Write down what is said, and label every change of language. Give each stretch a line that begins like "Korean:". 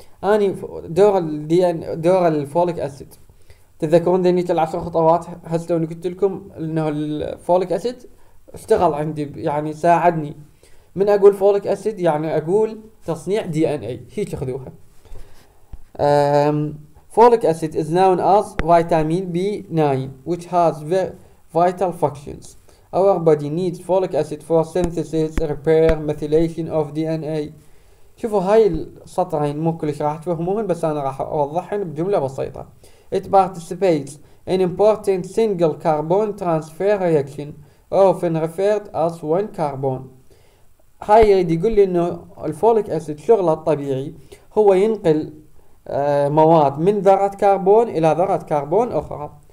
Arabic: اني دور الدي ان دور الفوليك اسيد، تذكرون ذني العشر خطوات هسه وانا قلت لكم انه الفوليك اسيد اشتغل عندي يعني ساعدني. من اقول فوليك اسيد يعني اقول تصنيع دي ان اي. هيك خذوها،
English: Folic acid is known as vitamin B 9 which has vital functions. Our body needs folic acid for synthesis, repair, methylation of DNA.
Arabic: شوفوا هاي السطرين مو كلش راح تفهمون، بس انا راح اوضحهم بجمله بسيطه.
English: It participates in important single carbon transfer reaction often referred as one carbon.
Arabic: هاي يريد يقول لي انه الفوليك اسيد شغله الطبيعي هو ينقل مواد من ذره كربون الى ذره كربون اخرى.